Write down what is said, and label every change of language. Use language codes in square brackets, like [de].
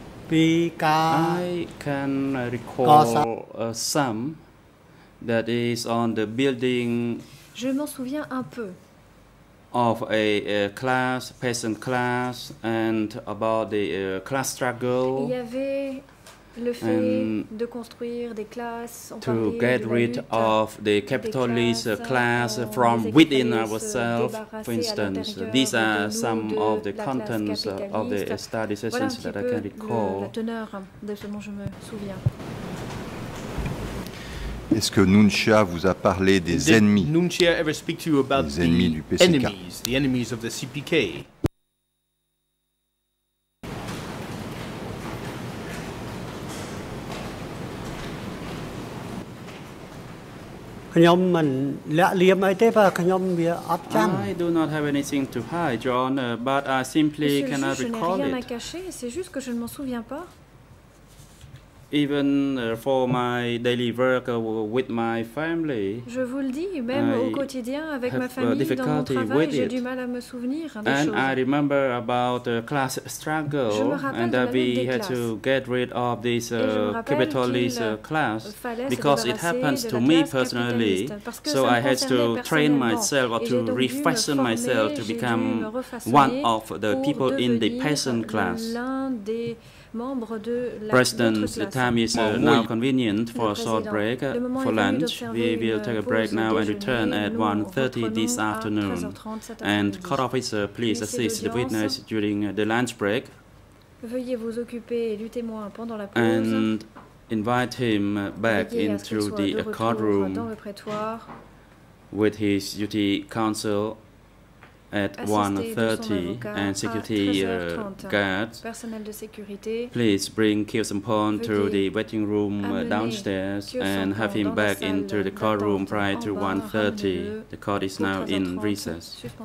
[en] I can recall some that is on the building [fr] je m'en souviens un peu. [en] Of a class, peasant class, and about the class struggle. [fr] Il y avait le fait de construire des classes, [en] to get rid of the capitalist class from within ourselves, for instance. These are some of the contents of the study sessions [fr] voilà [en] that I can recall. [fr] La teneur de ce dont je me souviens. Est-ce que Nuncha vous a parlé des ennemis? [en] Nuncha ever speak to you about [fr] les ennemis du PCK? [en] Enemies, the enemies of the CPK? I do not have anything to hide, Your Honor, but I simply cannot recall it. [fr] Je n'ai rien à cacher, c'est juste que je ne m'en souviens pas. [en] Even for my daily work with my family, [fr] je vous le dis, même au quotidien avec ma famille, dans mon travail, j'ai du mal à me souvenir des choses. [en] And I remember about the class struggle, [fr] je me rappelle [en] and that we had to get rid of this capitalist class because it happens to me personally. So I had to train myself or to refashion myself to become one of the people in the peasant class. President, the time is now convenient for a short break for lunch. We will take a break now and return at 1:30 this afternoon. And court officer, please assist the witness during the lunch break. [fr] Veuillez vous occuper du témoin pendant la pause. [en] And invite him back into the courtroom with his duty counsel. At 1:30, and security guards, please bring Kyo Sampon to the waiting room downstairs and have him back into the courtroom prior to 1:30. The court is now in recess.